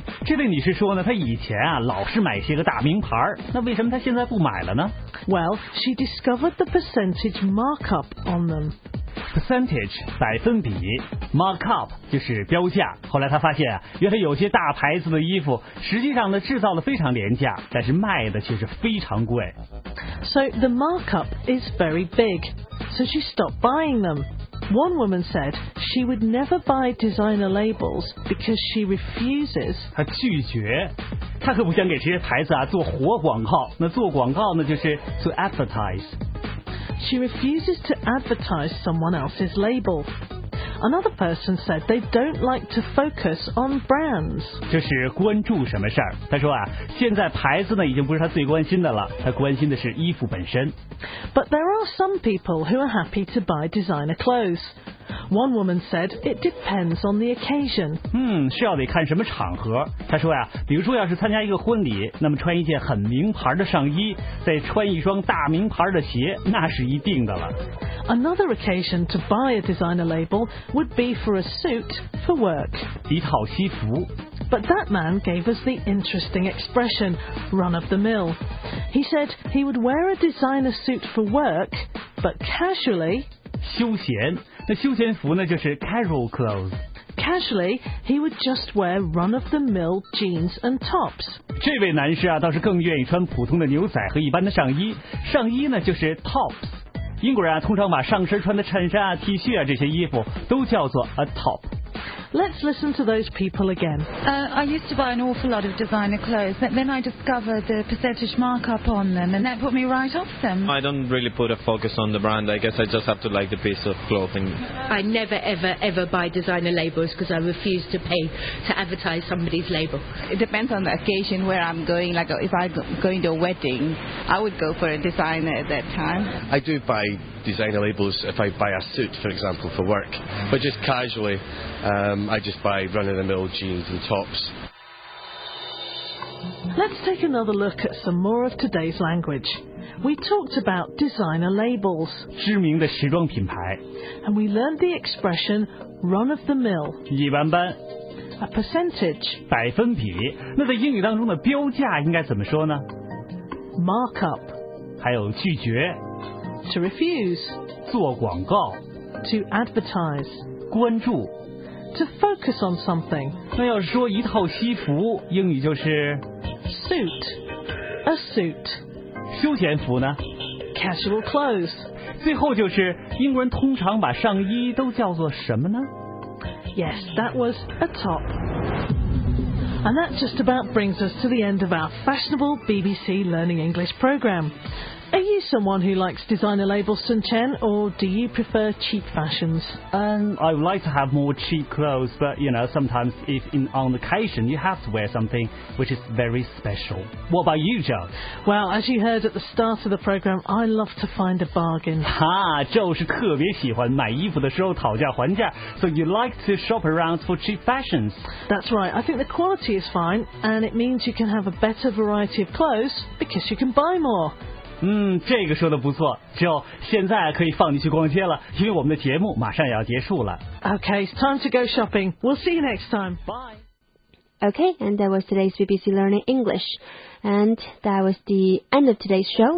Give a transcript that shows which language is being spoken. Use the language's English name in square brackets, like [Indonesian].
[Chinese] 这位女士说呢，她以前啊老是买些个大名牌，那为什么她现在不买了呢？ [English] Well, she discovered the percentage markup on them. [Chinese] Percentage, 百分比 Markup, 就是标价后来他发现原来有些大牌子的衣服实际上呢制造的非常廉价但是卖的却是非常贵 [English] So the markup is very big So she stopped buying them One woman said she would never buy designer labels because she refuses [Chinese] 她拒绝她可不想给这些牌子啊做活广告那做广告呢就是 [English] to advertise She refuses to advertise someone else's label. Another person said they don't like to focus on brands. [Chinese] 就是关注什么事儿？他说啊，现在牌子呢已经不是他最关心的了，他关心的是衣服本身。 [English] But there are some people who are happy to buy designer clothes. One woman said, it depends on the occasion. [Chinese] 是要得看什么场合。她说呀，比如说要是参加一个婚礼，那么穿一件很名牌的上衣，再穿一双大名牌的鞋，那是一定的了。 [English] Another occasion to buy a designer label would be for a suit for work. [Chinese] 一套西服。 [English] But that man gave us the interesting expression, run of the mill. He said he would wear a designer suit for work, but casually... [Chinese] 休闲。那休闲服呢就是 [English] casual clothes。 Casually, he would just wear run-of-the-mill jeans and tops. [Chinese] 这位男士啊倒是更愿意穿普通的牛仔和一般的上衣。上衣呢就是 tops。英国人啊通常把上身穿的衬衫啊 T 恤啊这些衣服都叫做 a top。 [English] Let's listen to those people again. I used to buy an awful lot of designer clothes, but then I discovered the percentage markup on them, and that put me right off them. I don't really put a focus on the brand. I guess I just have to like the piece of clothing. I never, ever, ever buy designer labels because I refuse to pay to advertise somebody's label. It depends on the occasion where I'm going. Like if I'm going to a wedding, I would go for a designer at that time. I do buy designer labels if I buy a suit, for example, for work, but just casually. I just buy run-of-the-mill jeans and tops. Let's take another look at some more of today's language. We talked about designer labels. [Chinese] 知名的时装品牌。 [English] And we learned the expression run-of-the-mill. [Chinese] 一般般。 [English] A percentage. [Chinese] 百分比。那在英语当中的标价应该怎么说呢？ [English] Markup. [Chinese] 还有拒绝。 [English] To refuse. [Chinese] 做广告。 [English] To advertise. [Chinese] 关注。 [English] To focus on something. [Chinese] 那要说一套西服，英语就是 [English] suit, a suit. [Chinese] 休闲服呢 [English] casual clothes. [Chinese] 最后就是英国人通常把上衣都叫做什么呢 [English] ？Yes, that was a top. And that just about brings us to the end of our fashionable BBC Learning English program. Are you someone who likes designer labels, Sun Chen, or do you prefer cheap fashions? I would like to have more cheap clothes, but you know, sometimes if on occasion you have to wear something which is very special. What about you, Joe? Well, as you heard at the start of the program, I love to find a bargain. Ha, Joe [Chinese] 是特别喜欢买衣服的时候讨价还价 [English] so you like to shop around for cheap fashions. That's right. I think the quality is fine, and it means you can have a better variety of clothes because you can buy more. [Chinese] 这个说的不错，就现在可以放你去逛街了，因为我们的节目马上也要结束了。 [English] Okay, it's time to go shopping. We'll see you next time. Bye. Okay, and that was today's BBC Learning English. And that was the end of today's show.